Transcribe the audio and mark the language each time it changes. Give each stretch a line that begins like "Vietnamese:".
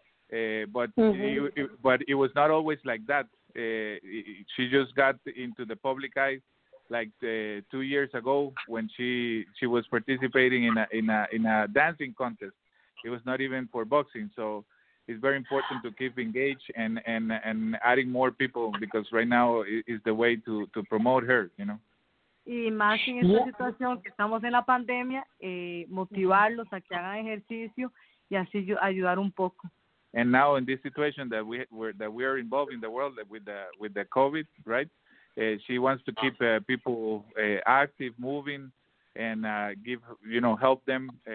English: But it was not always like that. She just got into the public eye like 2 years ago when she was participating in a dancing contest. It was not even for boxing, so it's very important to keep engaged and adding more people, because right now is the way to promote her, you know.
Spanish: Y más en esta situación que estamos en la pandemia, motivarlos a que hagan ejercicio y así ayudar un poco.
English: And now in this situation that we are involved in the world with the COVID, right? She wants to keep people active, moving, and help them.